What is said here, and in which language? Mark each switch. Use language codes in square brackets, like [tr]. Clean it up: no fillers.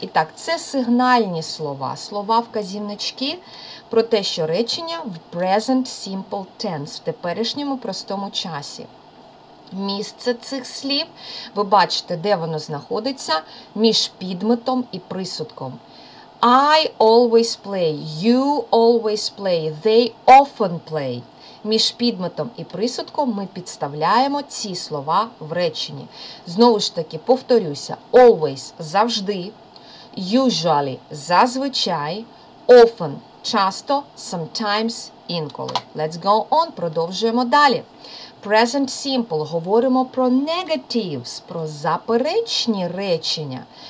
[uk] І так, це сигнальні слова, слова-вказівнички про те, що речення в present simple tense, в теперішньому простому часі. Місце цих слів, ви бачите, де воно знаходиться, між підметом і присудком. [en] I always play, you always play, they often play. [uk] Між підметом і присудком ми підставляємо ці слова в реченні. Знову ж таки, повторюся, always – завжди, usually – зазвичай, often – часто, sometimes – інколи. [en] Let's go on, [uk] продовжуємо далі. Present simple – говоримо про negatives, про заперечні речення.